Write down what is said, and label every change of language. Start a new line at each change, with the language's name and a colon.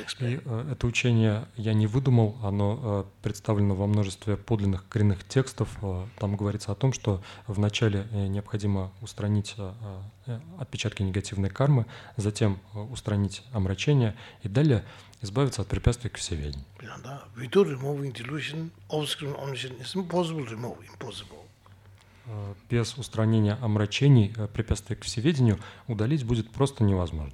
Russian: И это учение я не выдумал, оно представлено во множестве подлинных коренных текстов. Там говорится о том, что вначале необходимо устранить отпечатки негативной кармы, затем устранить омрачение и далее избавиться от препятствий к всеведению.
English: Yeah,
Russian: да.
English: Without removing delusion, obscuration, omniscience, it's impossible to remove, impossible.
Russian: Без устранения омрачений, препятствий к всеведению, удалить будет просто невозможно.